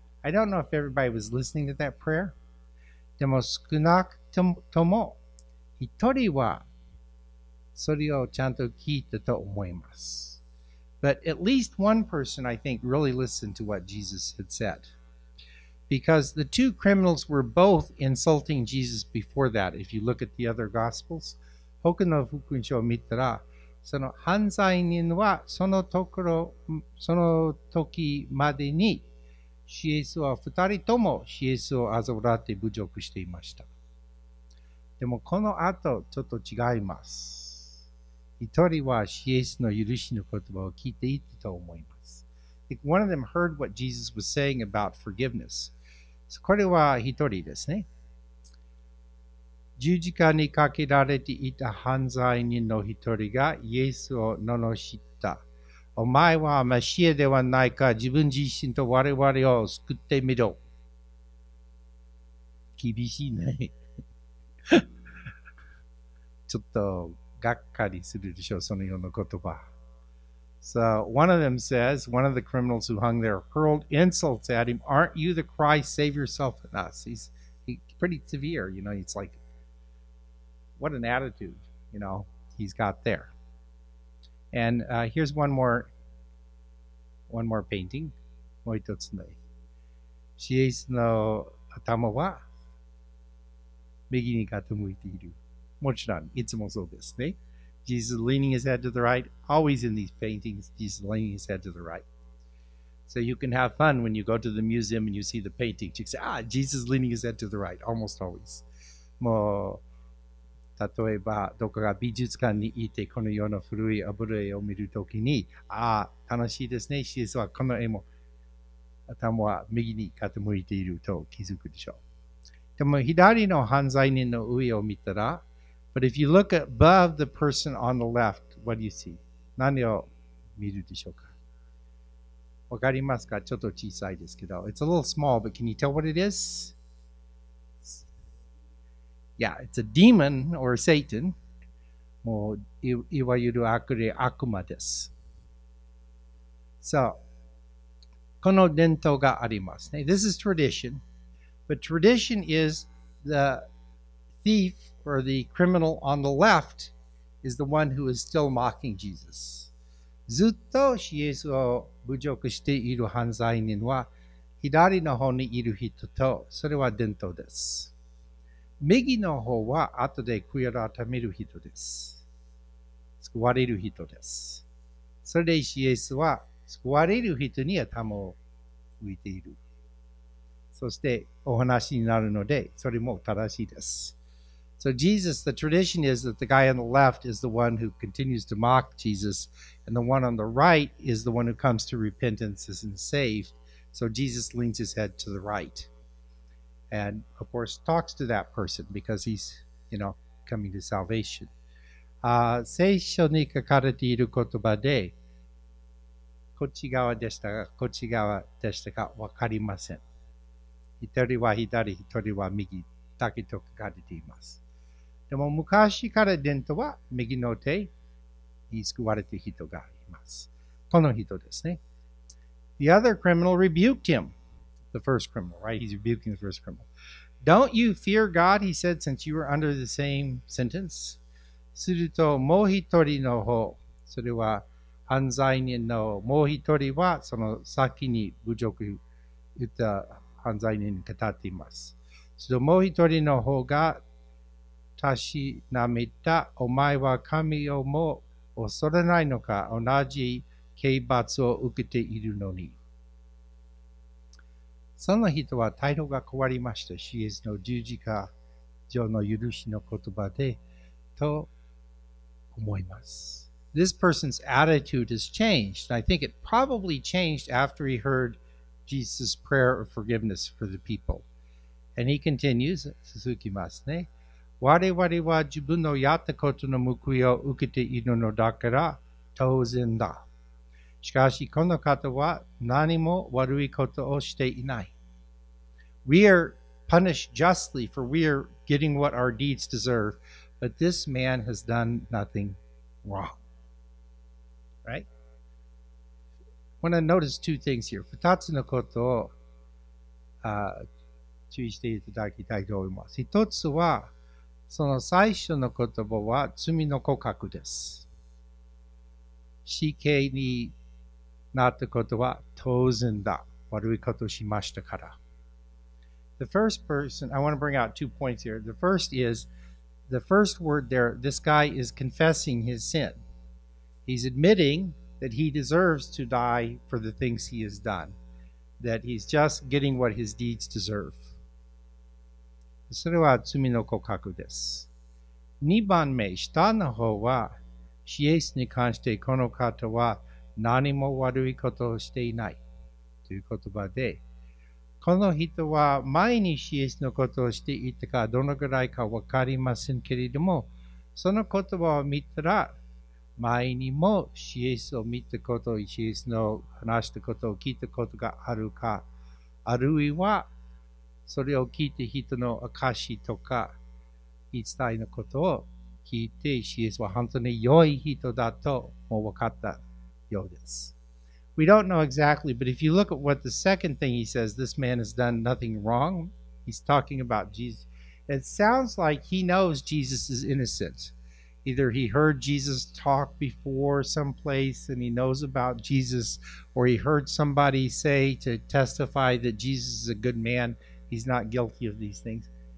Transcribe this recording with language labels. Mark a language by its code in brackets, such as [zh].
[en] I don't know if everybody was listening to that prayer. [ja] でも少なくとも一人はそれをちゃんと聞いたと思います。 [en] But at least one person, I think, really listened to what Jesus had said. Because the two criminals were both insulting Jesus before that, if you look at the other Gospels. [ja] 他の福音書を見たら、その犯罪人はそのところ、その時までに、主イエスは二人とも主イエスを嘲笑って侮辱していました。でもこの後、ちょっと違います。一人はシエスの許しの言葉を聞いていたと思います。 [en] One of them heard what Jesus was saying about forgiveness. [ja] So これは一人ですね。十字架にかけられていた犯罪人の一人がイエスを罵った。お前はマシエではないか、自分自身と我々を救ってみろ。厳しいね。ちょっと、がっかりするでしょう、そのような言葉。 [en] So, one of them says, one of the criminals who hung there hurled insults at him, aren't you the Christ, save yourself and us? He's pretty severe, you know, it's like, what an attitude, you know, he's got there. And、here's one more painting. [ja] もう一つね。シエスの頭は右に傾いている。もちろん、いつもそうですね。 [en] Jesus leaning his head to the right. Always in these paintings, Jesus leaning his head to the right. So you can have fun when you go to the museum and you see the painting. You say, ah, Jesus leaning his head to the right. Almost always. [ja] もう、例えば、どこか美術館にいてこのような古い油絵を見るときに、ああ、楽しいですね。シエスはこの絵も頭は右に傾いていると気づくでしょう。でも、左の犯罪人の上を見たら、 [en] But if you look above the person on the left, what do you see? [ja] 何を見るでしょうか？わかりますか？ちょっと小さいですけど。 [en] It's a little small, but can you tell what it is? Yeah, it's a demon or a Satan. [ja] もういわゆる悪魔です。So, この伝統がありますね。 [en] This is tradition. But tradition is the thief,or the criminal on the left is the one who is still mocking Jesus. [ja] ずっとイエスを侮辱している犯罪人は左の方にいる人とそれは伝統です。右の方は後で悔い改める人です。救われる人です。それでイエスは救われる人に頭を向いている。そしてお話になるのでそれも正しいです。 [en] So Jesus, the tradition is that the guy on the left is the one who continues to mock Jesus, and the one on the right is the one who comes to repentance and is saved. So Jesus leans his head to the right and, of course, talks to that person because he's, you know, coming to salvation. [ja] 聖書に書かれている言葉で、こっち側でしたか、こっち側でしたか、わかりません。一人は左、一人は右だけと書かれています。でも昔から伝統は右の手に救われている人がいます。この人ですね。 [en] The other criminal rebuked him. The first criminal, right? He's rebuking the first criminal. Don't you fear God, he said, since you were under the same sentence? [ja] するともう一人の方、それは犯罪人のもう一人はその先に侮辱言った犯罪人に語っています。するともう一人の方がたしなめた、お前は神をも恐れないのか、同じ刑罰を受けているのに。その人は態度が変わりました。シエスの十字架上の許しの言葉でと思います。 [en] This person's attitude has changed. I think it probably changed after he heard Jesus' prayer of forgiveness for the people. And he continues, [ja] 続きますね。我々は自分のやったことの報いを受けているのだから当然だ。しかしこの方は何も悪いことをしていない。 [en] We are punished justly for we are getting what our deeds deserve, but this man has done nothing wrong. Right? I want to notice two things here. [ja] 二つのことを注意していただきたいと思います。一つはその最初の言葉は罪の告白です。死刑になったことは当然だ、悪いことをしましたから。 [en] The first person, I want to bring out two points here. The first is, the first word there, this guy is confessing his sin. He's admitting that he deserves to die for the things he has done, that he's just getting what his deeds deserve. [ja] それは罪の告白です。 2番目、下の方は主イエスに関してこの方は何も悪いことをしていないという言葉で、この人は前に主イエスのことをしていたかどのぐらいか分かりませんけれども、その言葉を見たら前にも主イエスを見たこと、主イエスの話したことを聞いたことがあるか、あるいはそれを聞いて人の証とか言い伝えのことを聞いて、主イエスは本当に良い人だともう分かったようです。 [en] We don't know exactly, but if you look at what the second thing he says, this man has done nothing wrong. He's talking about Jesus. It sounds like he knows Jesus is innocent. Either he heard Jesus talk before someplace and he knows about Jesus, or he heard somebody say to testify that Jesus is a good man, he's not guilty of these things.